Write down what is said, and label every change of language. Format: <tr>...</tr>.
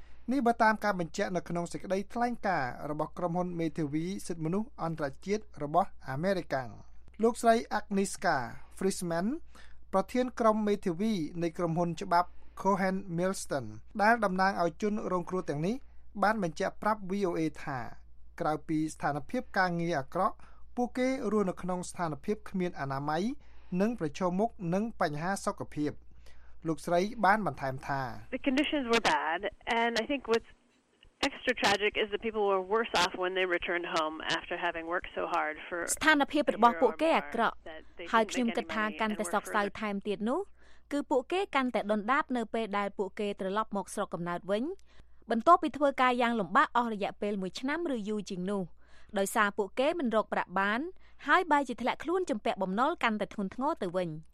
<km>នេះបើតាមការបញ្ជាក់នៅក្នុងសេចក្តីថ្លែងការណ៍របស់ក្រុមហ៊ុនមេធាវីសិទ្ធិមនុស្សអន្តរជាតិរបស់អាមេរិកលោកស្រីអាក់នីស្កាហ្វ្រីសមែនប្រធានក្រុមមេធាវីនៃក្រុមហ៊ុនច្បាប់ Cohen Milston ដែលតំណាងឲ្យជនរងគ្រោះទាំងនេះបានបញ្ជាក់ប្រាប់ VOA ថាក្រៅពីស្ថានភាពការងារអាក្រក់ពួកគេរស់នៅក្នុងស្ថានភាពគ្មានអនាម័យ និងប្រឈមមុខនឹងបញ្ហាសុខភាពលោកស្រីបានបន្ថែមថា</km> <en>The conditions were bad and I think what's extra tragic is that people were worse off when they returned home after having worked so hard for</en> <km>ស្ថានភាពរបស់ពួកគេអាក្រក់ហើយខ្ញុំគិតថាកាន់តែសោកសៅថែមទៀតនោះគឺពួកគេកាន់តែដុនដាបនៅពេលដែលពួកគេត្រឡប់មកស្រុកកំណើតវិញបន្ទាប់ពីធ្វើការយ៉ាងលំបាកអស់រយៈពេល1ឆ្នាំឬយូរជាងនោះដោយសារពួកគេមិនរកប្រាក់បានហើយបែរជាធ្លាក់ខ្លួនជំពាក់បំណុលកាន់តែធ្ងន់ធ្ងរទៅវិញ</km>